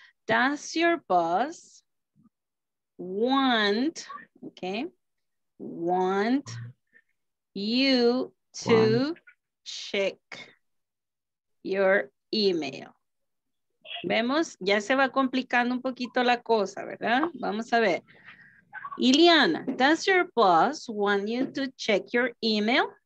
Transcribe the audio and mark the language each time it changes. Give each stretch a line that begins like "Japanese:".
English: Does your boss want, okay, want you to check your email?
Spanish: Vemos, ya se va complicando un poquito la cosa, ¿verdad? Vamos a ver.
English: Ileana, does your boss want you to check your email?